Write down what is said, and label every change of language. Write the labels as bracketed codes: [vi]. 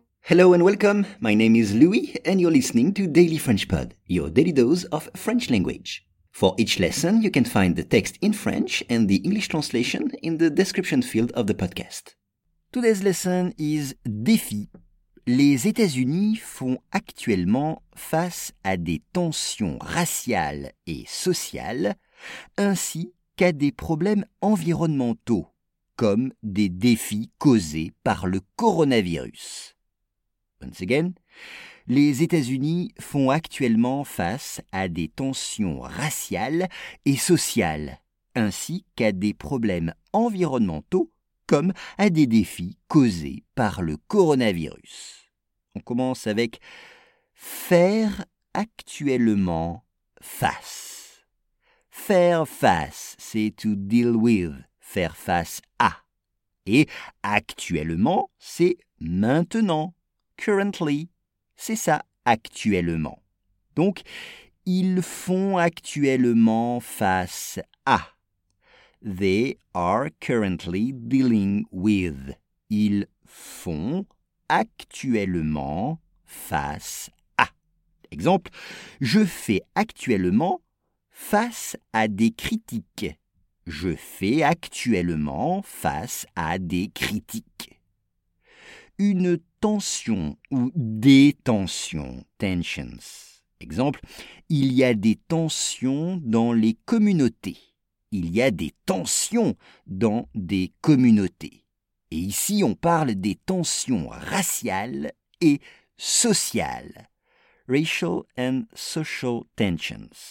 [en] Hello and welcome. My name is Louis and you're listening to Daily French Pod, your daily dose of French language. For each lesson, you can find the text in French and the English translation in the description field of the podcast. Today's lesson is Défi. [fr] Les États-Unis font actuellement face à des tensions raciales et sociales, ainsi qu'à des problèmes environnementaux, comme des défis causés par le coronavirus. [en] Once again, [fr] les États-Unis font actuellement face à des tensions raciales et sociales, ainsi qu'à des problèmes environnementaux, comme à des défis causés par le coronavirus. On commence avec faire actuellement face. Faire face, c'est [en] to deal with, [fr] faire face à. Et actuellement, c'est maintenant, currently. C'est ça, actuellement. Donc, ils font actuellement face à. [en] They are currently dealing with. [fr] Ils font actuellement face à. Exemple, je fais actuellement face à des critiques. Je fais actuellement face à des critiques. Une tension ou des tensions, tensions. Exemple, il y a des tensions dans les communautés. Il y a des tensions dans des communautés. Et ici, on parle des tensions raciales et sociales. [en] Racial and social tensions.